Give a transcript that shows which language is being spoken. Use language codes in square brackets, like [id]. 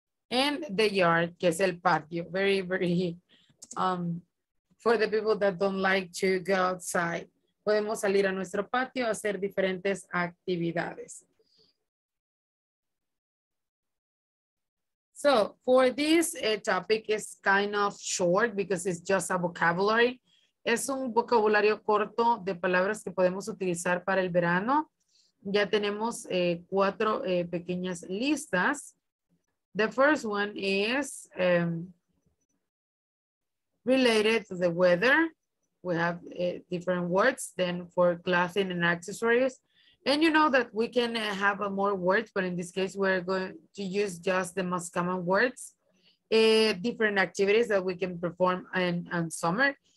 [en] And the yard, [es] que es el patio. [en] Very, very, for the people that don't like to go outside. [es] Podemos salir a nuestro patio a hacer diferentes actividades. [en] So for this topic is kind of short because it's just a vocabulary. [es] Es un vocabulario corto de palabras que podemos utilizar para el verano. Ya tenemos cuatro pequeñas listas. [en] The first one is related to the weather. We have different words than for clothing and accessories. And you know that we can have more words, but in this case, we're going to use just the most common words, different activities that we can perform in summer.